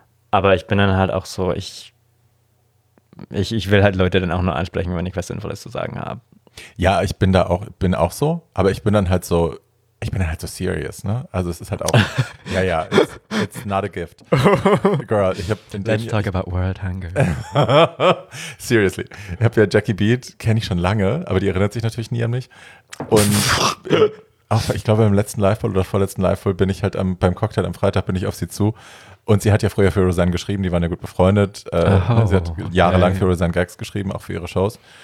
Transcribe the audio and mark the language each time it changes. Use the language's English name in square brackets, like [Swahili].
[German] Aber ich bin dann halt auch so, ich will halt Leute dann auch nur ansprechen, wenn ich was Sinnvolles zu sagen habe. Ja, ich bin da auch, bin auch so, aber ich bin dann halt so, ich bin dann halt so serious, ne? Also es ist halt auch, ja, ja, [English] it's not a gift. [German] Girl, ich hab [English] den Let's talk about world hunger. Seriously. [German] Ich hab ja Jackie Beat, kenne ich schon lange, aber die erinnert sich natürlich nie an mich. Und ich glaube, im letzten Live-Fall oder vorletzten Live-Fall bin ich halt beim Cocktail am Freitag bin ich auf sie zu. Und sie hat ja früher für Roseanne geschrieben, die waren ja gut befreundet. Sie hat jahrelang für Roseanne Gags geschrieben, auch für ihre Shows.